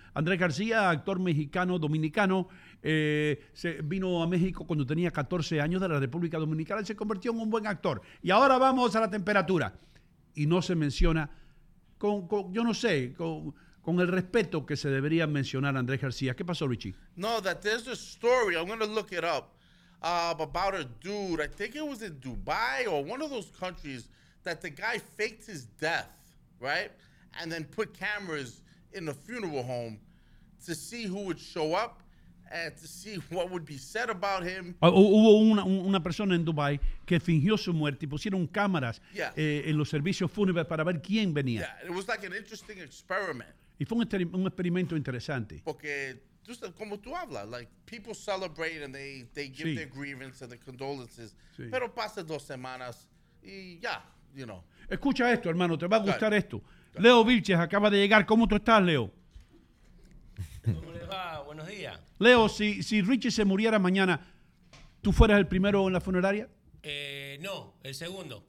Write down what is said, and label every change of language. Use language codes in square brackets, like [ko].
[es] Andrés García, actor mexicano, dominicano, se vino a México cuando tenía 14 años de la República Dominicana y se convirtió en un buen actor. Y ahora vamos a la temperatura. Y no se menciona con el respeto que se debería mencionar a Andrés García. ¿Qué pasó, Richie? [en] No, that there's a story. I'm going to look it up. About a dude. I think it was in Dubai or one of those countries that the guy faked his death, right? And then put cameras in the funeral home to see who would show up and to see what would be said about him. [es] Hubo una persona en Dubai que fingió su muerte y pusieron cámaras en los servicios fúnebres para ver quién venía. [en] Yeah, it was like an interesting experiment. [es] Y fue un experimento interesante. [en] Porque, just [es] como tú hablas, [en] like, people celebrate and they give their grievance and their condolences. [es] Sí. Pero pasan dos semanas y ya, [en] you know. [es] Escucha esto, hermano, te va a gustar esto. Leo Vilches acaba de llegar. ¿Cómo tú estás, Leo? ¿Cómo le va? Buenos días. Leo, si Richie se muriera mañana, ¿tú fueras el primero en la funeraria? No, el segundo.